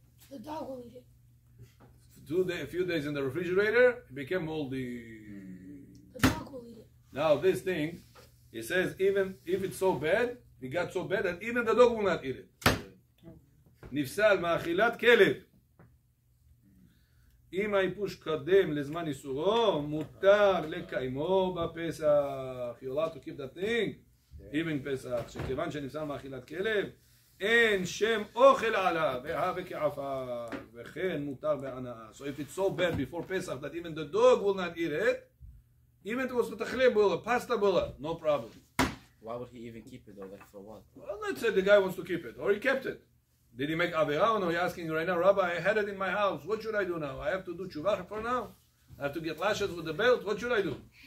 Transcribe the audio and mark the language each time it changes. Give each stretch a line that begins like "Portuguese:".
English: The dog will eat it. A few days in the refrigerator, it became moldy. The dog will eat it. Now this thing, it says even if it's so bad, it got so bad that even the dog will not eat it.
Hebrew: Nifsal ma'achilat kelev. אם היפוש קדם לזמן איסורו, מותר לקיימו בפסח.
English: You're allowed to keep that thing. Even
Hebrew: פסח, שכיוון שנפסל מאכילת כלב, אין שם אוכל עליו, והווה כעפר, וכן מותר בענאה.
English: So if it's so bad before פסח, that even the dog will not eat it, even if it was a tachle bula, pasta bula, no problem. Why would he even keep it, though? Like for what? Well, let's say the guy wants to keep it, or he kept it. Did he make Avera or no? He's asking right now, Rabbi, I had it in my house. What should I do now? I have to do tshuva for now? I have to get lashes with the belt? What should I do?